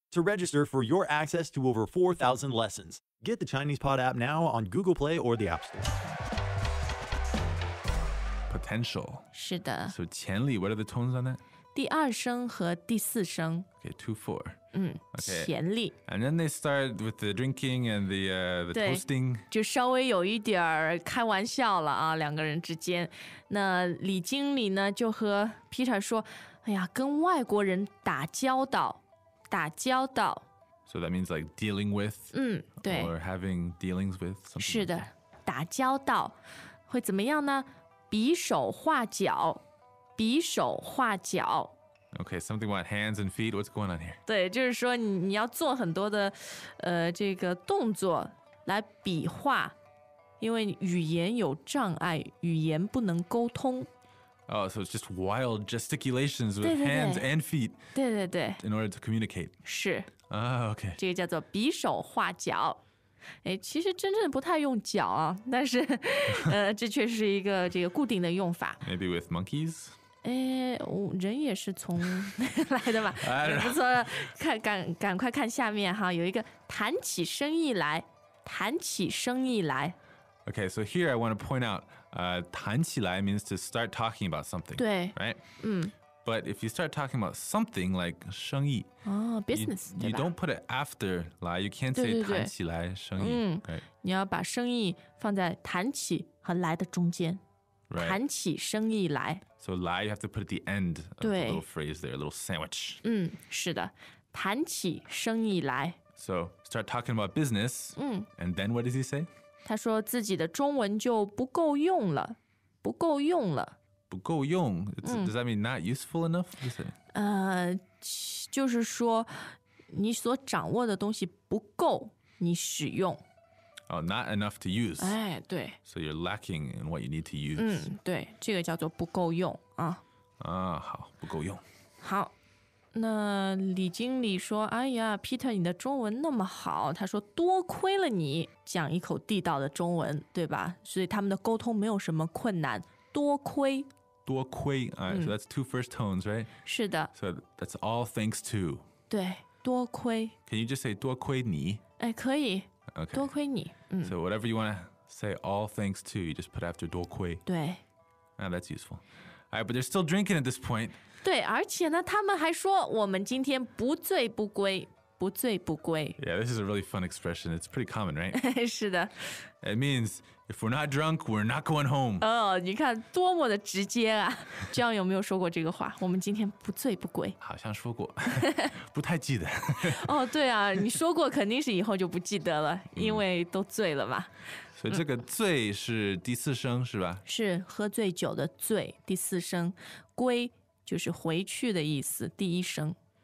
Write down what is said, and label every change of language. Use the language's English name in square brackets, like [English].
[English] To register for your access to over 4,000 lessons, get the Chinese Pod app now on Google Play or the App Store. Potential. [Chinese] 是的。 [English] So, 潜力, what are the tones on that? [Chinese] 第二声和第四声。 [English] Okay, 2, 4. [Chinese] 潜力。 [English] And then they start with the drinking and the toasting. [Chinese] 就稍微有一点儿开玩笑了啊，两个人之间。那李经理呢，就和 Peter 说，哎呀，跟外国人打交道。打交道 [English] So that means like dealing with [Chinese] 对 [English] Or having dealings with something [Chinese] 是的、 [English] like、 [Chinese] 打交道会怎么样呢比手画脚比手画脚 [English] Okay, something about hands and feet What's going on here? [Chinese] 对就是说 你要做很多的这个动作来比划因为语言有障碍语言不能沟通 [English] Oh, so it's just wild gesticulations with hands and feet [Chinese] 对对对 [English] in order to communicate. [Chinese] 是。 [English] Okay. [Chinese] 这个叫做比手画脚。其实真正不太用脚啊但是这却是一个这个固定的用法。 [English] Maybe with monkeys? [Chinese] 人也是从来的嘛。不错赶快看下面哈有一个谈起生意来谈起生意来。 [English] Okay, so here I want to point out, 谈起来 means to start talking about something, [Chinese] 对 [English] right? But if you start talking about something like 生意, business, you don't put it after 来, you can't say 谈起来生意, right? [Chinese] 你要把生意放在谈起和来的中间, [English] right. [Chinese] 谈起生意来。 [English] So 来, you have to put at the end of the little phrase there, a little sandwich. [Chinese] 是的,谈起生意来。 [English] So start talking about business, and then what does he say? [Chinese] 他说自己的中文就不够用了，不够用了，不够用。 [English] Does that mean not useful enough? What is it? [Chinese] 就是说你所掌握的东西不够你使用。 [English] Oh, not enough to use. [Chinese] 哎，对。 [English] So you're lacking in what you need to use. [Chinese] 对，这个叫做不够用啊。好，不够用。好，那李经理说，哎呀，Peter，你的中文那么好，他说多亏了你。讲一口地道的中文，对吧？所以他们的沟通没有什么困难。多亏，多亏。 [English] So that's two first tones, right? [Chinese] 是的。 [English] So that's all thanks to. [Chinese] 对，多亏。 [English] Can you just say 多亏你？ [Chinese] 哎，可以。 [English] Okay. [Chinese] 多亏你。 [English] So whatever you want to say all thanks to, you just put after 多亏。 [Chinese] 对。 [English] Ah, that's useful. All right, but they're still drinking at this point. [Chinese] 对，而且呢，他们还说我们今天不醉不归。不醉不归 [English] Yeah, this is a really fun expression. It's pretty common, right? [Chinese] 是的 [English] It means, if we're not drunk, we're not going home. [Chinese] 你看多么的直接啊 John 有没有说过这个话我们今天不醉不归好像说过不太记得哦，对啊你说过肯定是以后就不记得了因为都醉了嘛所以这个醉是第四声是吧是喝醉酒的醉第四声归就是回去的意思第一声